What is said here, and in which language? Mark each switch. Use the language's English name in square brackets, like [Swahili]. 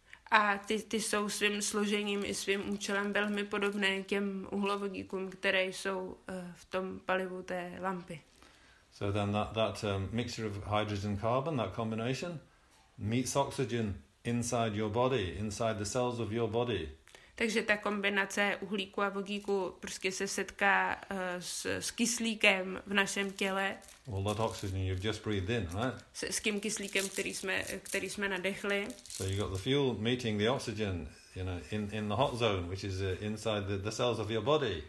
[Czech] A ty jsou svým složením i svým účelem velmi podobné těm uhlovodíkům, které jsou v tom palivu té lampy. [English] So then that mixture of hydrogen carbon, that combination, meets oxygen inside your body, inside the cells of your body. [Czech] Takže ta kombinace uhlíku a vodíku prostě se setká s kyslíkem v našem těle. [English] All that oxygen you've just breathed in, right? [Czech] S tím kyslíkem, který jsme nadechli. [English] So you got the fuel meeting the oxygen, you know, in the hot zone, which is inside the cells of your body.